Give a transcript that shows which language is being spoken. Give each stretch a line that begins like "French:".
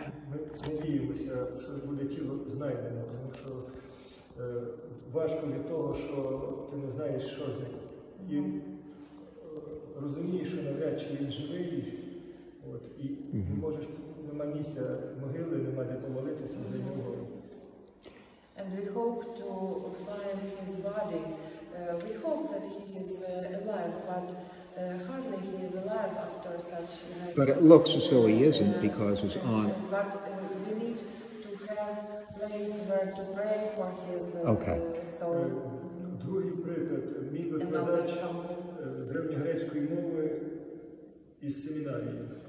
Ukrainian: Ми надіємося, що буде тіло знайдено, тому що важко від того, що ти не знаєш, що з ним. І розумієш, що навряд чи він живий, от, і mm-hmm. можеш, нема місця могили, нема де помолитися за нього.
English: And we hope to find his body. We hope that he is alive, but hardly he is alive after such nights. But it looks as though he isn't because his aunt... But we need to have a place where to pray for his okay. soul.
Ukrainian: Другий приклад. Мій викладач древньогрецької мови із семінарії.